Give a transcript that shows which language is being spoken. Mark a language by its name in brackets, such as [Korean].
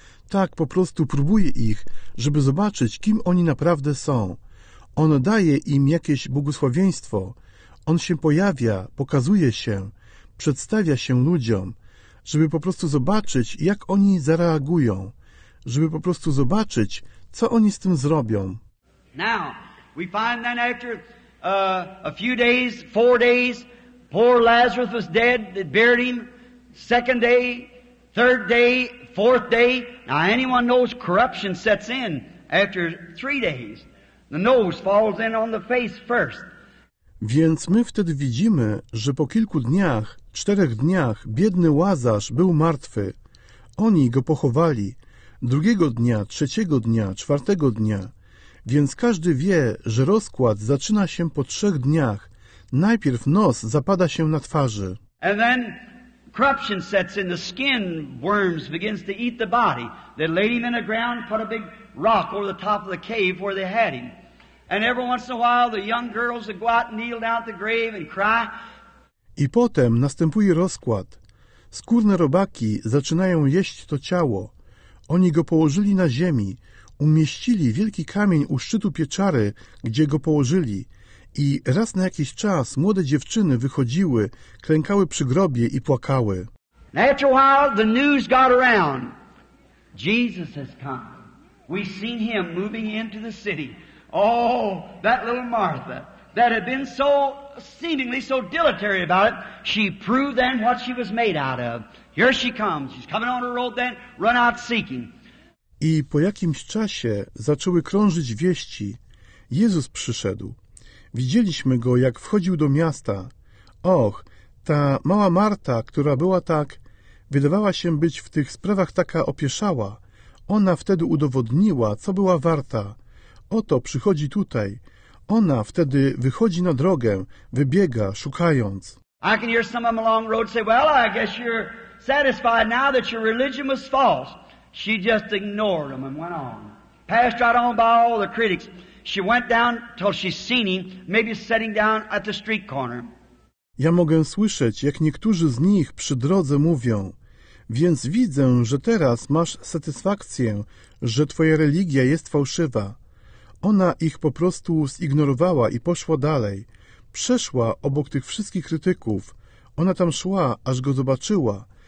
[Polish] Tak, po prostu próbuje ich, żeby zobaczyć, kim oni naprawdę są. On daje im jakieś błogosławieństwo. On się pojawia, pokazuje się, przedstawia się ludziom, żeby po prostu zobaczyć, jak oni zareagują, żeby po prostu zobaczyć, co oni z tym zrobią. [English] Now, we find that after a few days, 4 days, poor Lazarus was dead, they buried him, second day, third day, fourth day. Now anyone knows corruption sets in after 3 days. The nose falls in on the face first. [Polish] Więc my wtedy widzimy, że po kilku dniach, 4 dniach, biedny Łazarz był martwy. Oni go pochowali. 2. dnia, 3. dnia, 4. dnia. Więc każdy wie, że rozkład zaczyna się po 3 dniach. Najpierw nos zapada się na twarzy. [English] And then corruption sets in, the skin worms begins to eat the body. They laid him in the ground, put a big rock over the top of the cave where they had him. And every once in a while the young girls would go out and kneel down at the grave and cry. [Polish] I potem następuje rozkład. Skórne robaki zaczynają jeść to ciało. Oni go położyli na ziemi, umieścili wielki kamień u szczytu pieczary, gdzie go położyli. I raz na jakiś czas młode dziewczyny wychodziły, klękały przy grobie i płakały. [English] After a while, the news got around. Jesus has come. We seen him moving into the city. Oh, that little Martha, that had been so seemingly so dilatory about it, she proved then what she was made out of. Here she comes. She's coming on her road then, run out seeking. [Polish] I po jakimś czasie zaczęły krążyć wieści. Jezus przyszedł. Widzieliśmy go, jak wchodził do miasta. Och, ta mała Marta, która była tak, wydawała się być w tych sprawach taka opieszała. Ona wtedy udowodniła, co była warta. Oto przychodzi tutaj. Ona wtedy wychodzi na drogę, wybiega, szukając. [English] I can hear some of them along the road say, well, I guess you're satisfied now that your religion was false. She just ignored them and went on. Passed right on by all the critics. She went down till she seen him, maybe sitting down at the street corner. [Polish] Ja mogę słyszeć, jak niektórzy z nich przy drodze mówią. Więc widzę, że teraz masz satysfakcję, że twoja religia jest fałszywa. Ona ich po prostu zignorowała i poszła dalej. Przeszła obok tych wszystkich krytyków. Ona tam szła, aż go zobaczyła.